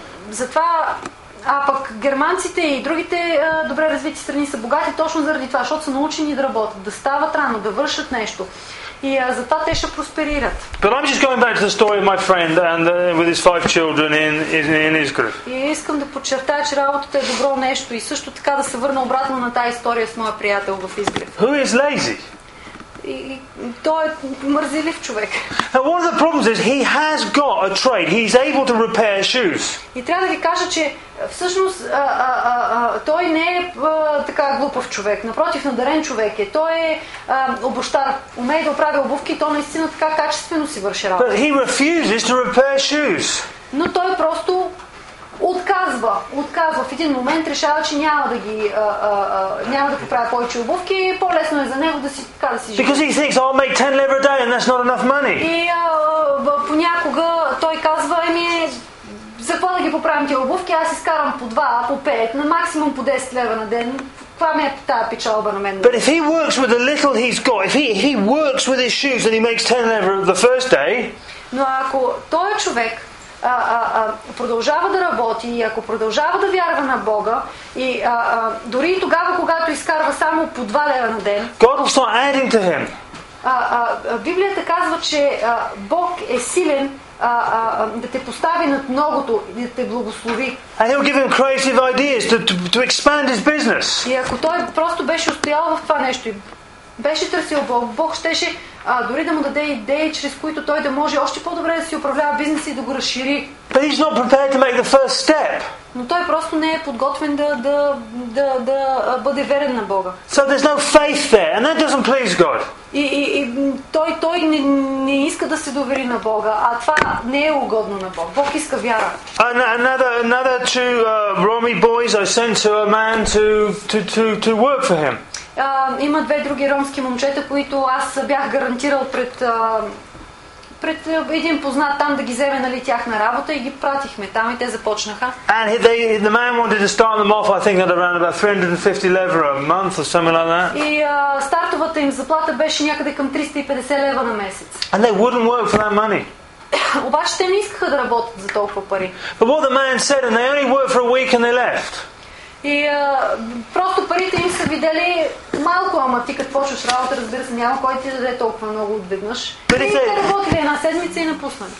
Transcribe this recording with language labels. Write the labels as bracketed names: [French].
[Bulgarian] Затова пък германците и другите добре развити страни са богати точно заради това, защото са научени да работят, да стават рано, да вършат нещо. И затова те ще просперират. [English] But I'm just going back to the story of my friend and with his five children in his group. [Bulgarian] И искам да подчертая, че работата е добро нещо и също така да се върна обратно на тази история с моя приятел в Изгрев. [English] Who is lazy? Now one of the problems is he has got a trade. He's able to repair shoes. [Bulgarian] И трябва да ви кажа, че всъщност той не е така глупав човек. Напротив, надарен човек е. Той е обущар, умее да прави обувки, то наистина така качествено си върши работа. [English] But he refuses to repair shoes. [Bulgarian] Но той просто отказва. В един момент решава, че няма да ги няма да поправя повече обувки, по-лесно е за него да си така да си живе. [English] Because he thinks I'll make 10 lira a day and that's not enough money. [Bulgarian] И понякога той казва, за какво да ги поправям тия обувки, аз изкарам по 2, по 5, на максимум по 10 лева на ден. Каква ми е тая печалба на мен? [English] But if he works with the little he's got, if he works with his shoes and he makes 10 lira the first day. [Bulgarian] Но ако той човек продължава да работи и ако продължава да вярва на Бога и дори и тогава, когато изкарва само по 2 лева на ден, [English] God will start adding to him. [Bulgarian] Библията казва, че Бог е силен да те постави над многото и да те благослови. [English] And he'll give him creative ideas to expand his business. [Bulgarian] И ако той просто беше устоял в това нещо и беше търсил Бог, Бог щеше дори да му даде идеи, чрез които той да може още по-добре да си управлява бизнеса и да го разшири. [English] But he's not prepared to make the first step. [Bulgarian] Но той просто не е подготвен да бъде верен на Бога. [English] So there's no faith there, and that doesn't please God. [Bulgarian] И той не иска да се довери на Бога, а това не е угодно на Бог. Бог иска вяра. [English] Another two Romy boys I sent to a man to work for him. [Bulgarian] Има две други ромски момчета, които аз бях гарантирал пред един познат там да ги вземе, нали, тяхна работа и ги пратихме там и те започнаха. [English] And the man wanted to start them off, I think, at around about 350 lira a month or something like that. [Bulgarian] И стартовата им заплата беше някъде към 350 лева на месец. [English] And they wouldn't work for that money. [Bulgarian] Обаче те не искаха да работят за толкова пари. [English] But what the man said, and they only worked for a week and they left. [Bulgarian] И просто парите им са видели малко, ама ти като почваш работа, разбира се, няма кой ти даде толкова много отведнъж. И те работили една седмица и напуснали.